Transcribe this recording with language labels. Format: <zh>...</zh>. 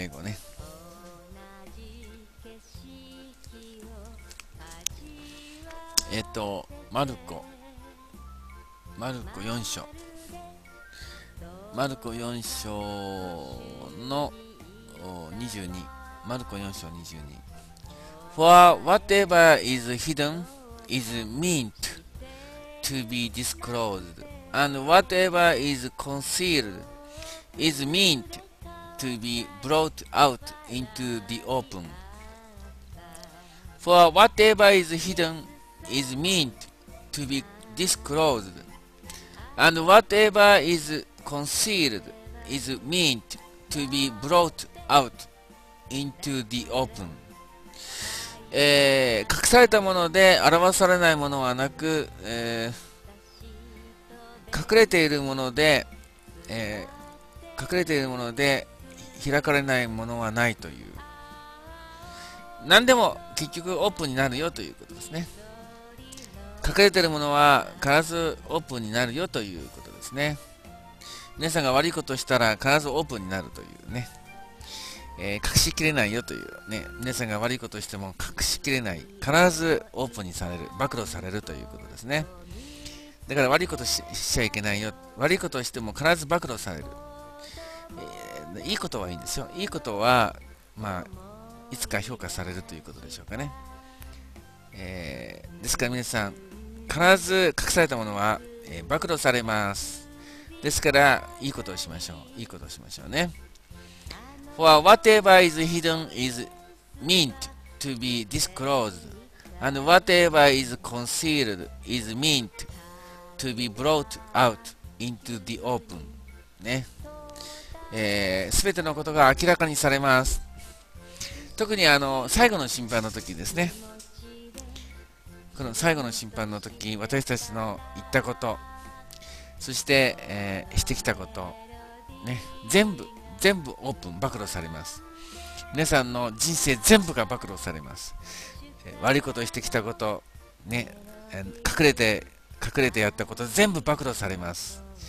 <ja>英語ね、マルコ、マルコ4章、マルコ4章の22、マルコ4章22。</ja> <en>For whatever is hidden is meant to be disclosed, and whatever is concealed is meant to be brought out into the open. For whatever is hidden is meant to be disclosed, and whatever is concealed is meant to be brought out into the open.</en> <ja>隠されたもので表されないものはなく、隠れているもので、隠れているもので開かれないものはないという、何でも結局オープンになるよということですね。隠れているものは必ずオープンになるよということですね。皆さんが悪いことをしたら必ずオープンになるというね、隠しきれないよというね、皆さんが悪いことをしても隠しきれない、必ずオープンにされる、暴露されるということですね。だから悪いこと しちゃいけないよ、悪いことをしても必ず暴露される、いいことはいいんですよ。いいことは、まあ、いつか評価されるということでしょうかね。ですから皆さん、必ず隠されたものは、暴露されます。ですからいいことをしましょう、いいことをしましょうね。</ja> <en>For whatever is hidden is meant to be disclosed, and whatever is concealed is meant to be brought out into the open、</en> <ja>ね、全てのことが明らかにされます。特に最後の審判の時ですね、この最後の審判の時、私たちの言ったこと、そして、してきたこと、ね、全部オープン、暴露されます。皆さんの人生全部が暴露されます。悪いことをしてきたこと、ね、隠れてやったこと、全部暴露されます。</ja>